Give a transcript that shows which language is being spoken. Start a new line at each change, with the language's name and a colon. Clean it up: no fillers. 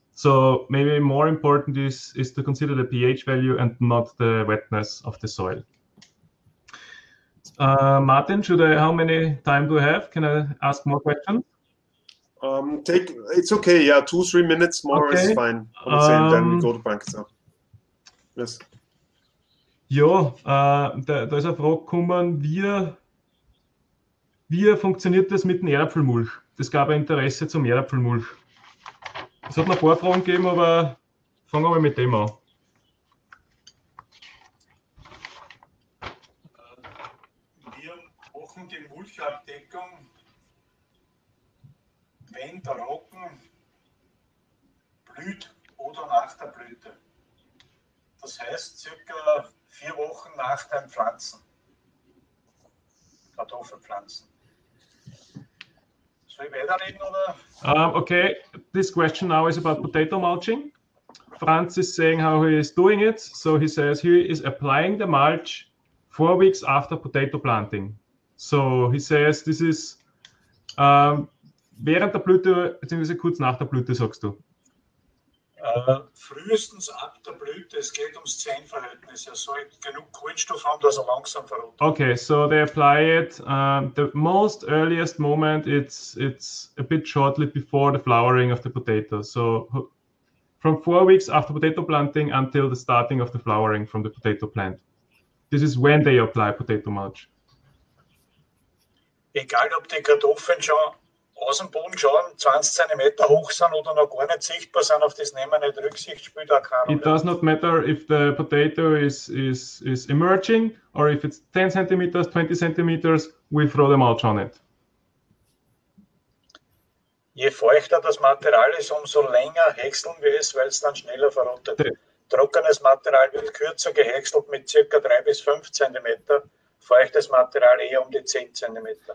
English: So maybe more important is to consider the pH value and not the wetness of the soil. Martin, how many time do I have? Can I ask more questions? It's okay. Yeah, 2-3 minutes more okay. Is fine. On the same time, we go to bank. So. Yes.
German: Ja, da ist eine Frage gekommen, wie funktioniert das mit dem Erdapfelmulch? Das gab ein Interesse zum Erdapfelmulch. Es hat noch ein paar Fragen gegeben, aber fangen wir mit dem an. Wir machen die Mulchabdeckung, wenn der Roggen blüht oder nach der Blüte. Das heißt, circa 4 Wochen nach dem Pflanzen, Kartoffelpflanzen. Soll ich weiterreden, oder?
English: Okay, this question now is about potato mulching. Franz is saying how he is doing it. So he says he is applying the mulch 4 weeks after potato planting. So he says this is
German: während der Blüte, beziehungsweise kurz nach der Blüte, sagst du. Frühestens ab der Blüte, es geht ums 10-Verhältnis. Er soll genug Kohlenstoff haben, dass er langsam verrottet.
English: Okay, so they apply it. The most earliest moment, it's a bit shortly before the flowering of the potato. So from 4 weeks after potato planting until the starting of the flowering from the potato plant. This is when they apply potato mulch.
German: Egal, ob die Kartoffeln schon aus dem Boden schauen, 20 cm hoch sind oder noch gar nicht sichtbar sind, auf das nehmen wir nicht Rücksicht, spielt auch keine Rolle.
English: It does not matter if the potato is emerging or if it's 10 cm, 20 cm, we throw the mulch on it.
German: Je feuchter das Material ist, umso länger häckseln wir es, weil es dann schneller verrottet. Trockenes Material wird kürzer gehäckselt mit ca. 3 bis 5 cm, feuchtes Material eher um die 10 cm.